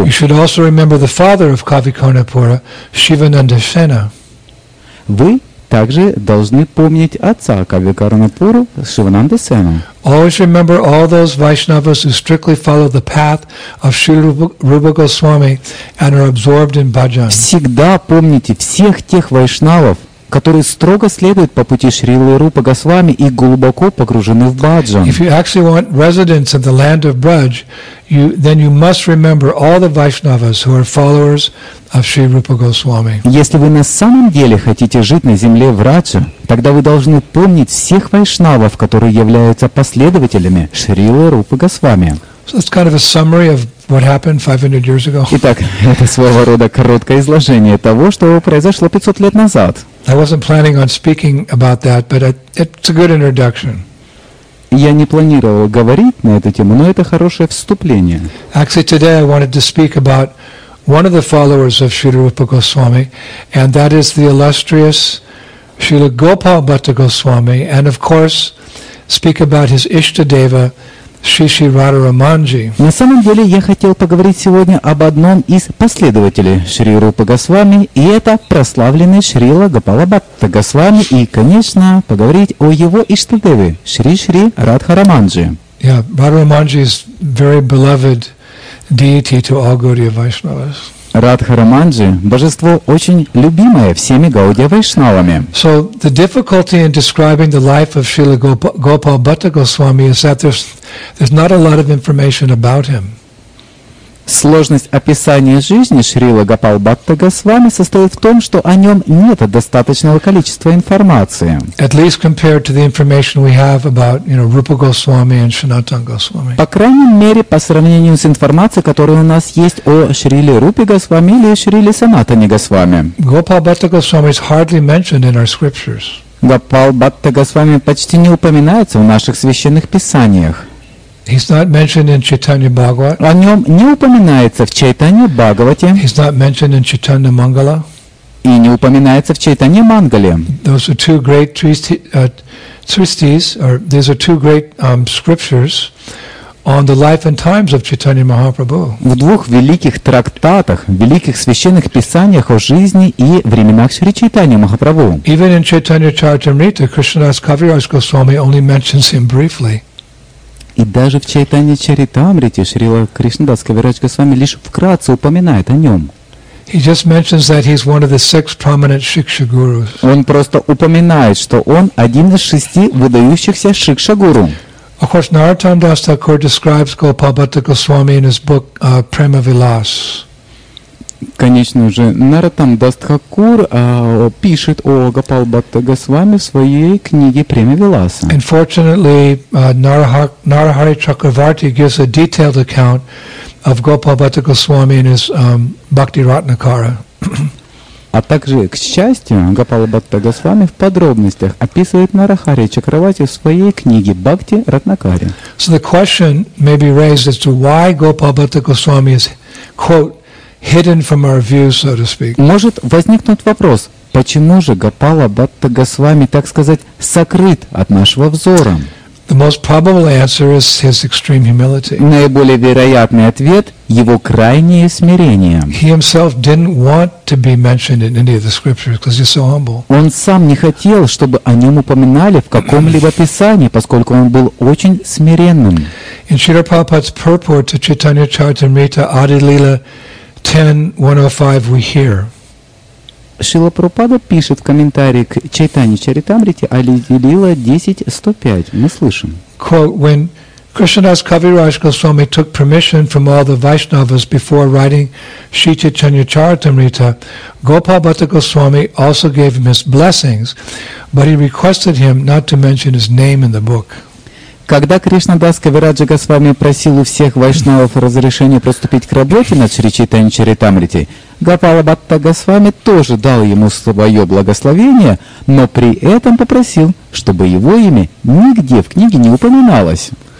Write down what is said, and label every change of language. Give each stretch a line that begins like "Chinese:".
English: You should also remember the father of Kavi Karnapura, Shivananda Sena.
Russian: Вы также должны помнить отца Кави Карнапуру, Шивананда Сена.
English: Always remember all those Vaishnavas who strictly follow the path of Srila Rupa Goswami and are absorbed in bhajan.
Russian: Всегда помните всех тех вайшнавов, которые строго следуют по пути Шрилы Рупа Госвами и глубоко погружены в бхаджан.
English: If you actually want residence in the land of Braj, then you must remember all the Vaishnavas who are followers of Sri Rupa Goswami.
Russian: Если вы на самом деле хотите жить на земле Враджа, тогда вы должны помнить всех вайшнавов, которые являются последователями Шрилы Рупы Госвами.
English: So it's kind of a summary of what happened 500 years ago.
Russian: Итак, это своего рода короткое изложение того, что произошло 500 лет назад.
English: I wasn't planning on speaking about that, but it's a good introduction.
Russian: Я не планировал говорить на эту тему, но это хорошее вступление.
English: Actually, today I wanted to speak about one of the followers of Srila Rupa Goswami, and that is the illustrious Srila Gopal Bhatta Goswami, and of course, speak about his Ishtadeva, Шиши Рада Раманджи.
Russian: На самом деле я хотел поговорить сегодня об одном из последователей Шри Рупы Госвами, и это прославленный Шрила Гопала Бхатта Госвами, и, конечно, поговорить о его Иштадеве Шри Шри Радха Раманджи.
English: Yeah, Рада Раманджи is very beloved deity to all Gaudiya Vaishnavas.
Russian: Радха Раманджи – божество, очень любимое всеми Гаудия Вайшнавами.
English: So, the difficulty in describing the life of Srila Gopal Bhatta Goswami is that there's not a lot of information about him.
Russian: Сложность описания жизни Шрилы Гопала Бхатта Госвами состоит в том, что о нем нет достаточного количества информации.
English: At least compared to the information we have about, you know, Rupa Goswami and Sanatan Goswami.
Russian: По крайней мере, по сравнению с информацией, которая у нас есть о Шриле Рупе Госвами или Шриле Санатане Госвами.
English: Gopal Bhatta Goswami is hardly mentioned in our scriptures.
Russian: Гопал Бхатта Госвами почти не упоминается в наших священных писаниях.
English: He's not mentioned in Chaitanya Bhagavat.
Russian: О нем не упоминается в Чайтанье Бхагавате.
English: He's not mentioned in Chaitanya Mangala.
Russian: И не упоминается в Чайтанье Мангале.
English: Those are two great tristis, or these are two great scriptures on the life and times of Chaitanya Mahaprabhu.
Russian: В двух великих трактатах, великих священных писаниях о жизни и временах Шри Чайтанья Махапрабху.
English: Even in Chaitanya Charitamrita, Krishnadas Kaviraj Goswami only mentions him briefly.
Russian: И даже в Чайтанье Чаритамрите Шрила Кришнадас Кавирадж Госвами лишь вкратце упоминает о нем.
English: He just mentions that he's one of the six prominent Shiksha Gurus.
Russian: Он просто упоминает, что он один из шести выдающихся Шикша Гуру.
English: Of course, Narottam Das Thakur describes Gopal Bhatta Goswami in his book Prema Vilas.
Russian: Конечно же, Narottam Das Thakur пишет о Гопал Бхатта Госвами в своей книге «Према Виласа».
English: And fortunately, Narahari Chakravarti gives a detailed account of Gopal Bhatta Goswami in his Bhakti Ratnakara.
Russian: А также, к счастью, Гопал Бхатта Госвами в подробностях описывает Нарахари Чакравати в своей книге «Бхакти Ратнакаре».
English: So the question may be raised as to why Gopal Bhatta Goswami is, quote, hidden from our view, so to speak.
Russian: Может возникнуть вопрос, почему же Гопала Бхатта Госвами, так сказать, сокрыт от нашего взора?
English: The most probable answer is his extreme humility.
Russian: Наиболее вероятный ответ – его крайнее смирение.
English: He himself didn't want to be mentioned in any of the scriptures because he's so humble.
Russian: Он сам не хотел, чтобы о нем упоминали в каком-либо писании, поскольку он был очень смиренным.
English: In Srila Prabhupada's purport to Chaitanya Charitamrita Adi Lila 10.105 we hear.
Russian: Шрила Прабхупада пишет в комментарии к Чайтанье Чаритамрите Адилила 10.105. Мы слышим.
English: Quote, when Krishnadas Kaviraj Goswami took permission from all the Vaishnavas before writing Sri Chaitanya Charitamrita, Gopal Bhatta Goswami also gave him his blessings, but he requested him not to mention his name in the book.
Russian: Когда Кришнадас Кавираджа Госвами просил у всех вайшнавов разрешения приступить к работе над Шри Чайтанья Чаритамрити, Гопала Бхатта Госвами тоже дал ему свое благословение, но при этом попросил, чтобы его имя нигде в книге не упоминалось.